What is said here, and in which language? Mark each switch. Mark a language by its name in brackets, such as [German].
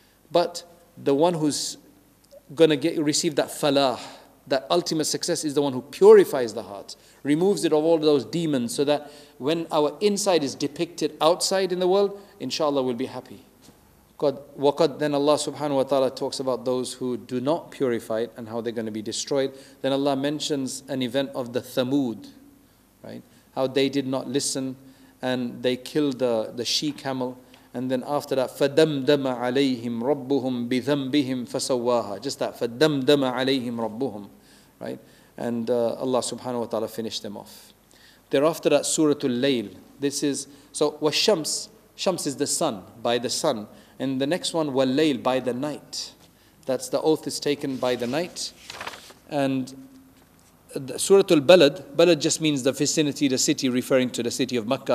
[English] But the one who's going to receive that falah, that ultimate success, is the one who purifies the heart, removes it of all those demons, so that when our inside is depicted outside in the world, inshallah we'll be happy. Then Allah subhanahu wa ta'ala talks about those who do not purify it and how they're going to be destroyed. Then Allah mentions an event of the Thamud, right? How they did not listen and they killed the she-camel. And then after that, [Arabic] فَدَمْدَمَ عَلَيْهِمْ رَبُّهُمْ بِذَنْبِهِمْ فَسَوَّاهَا. [English] Just that, [Arabic] فَدَمْدَمَ عَلَيْهِمْ رَبُّهُمْ. [English] Right? And Allah subhanahu wa ta'ala finished them off. Thereafter that, Suratul Layl. This is, so, وَالشَّمْس. Shams is the sun, by the sun. And the next one, وَاللَّيْل, by the night. That's the oath is taken by the night. And Suratul Balad. Balad just means the vicinity, the city, referring to the city of Makkah.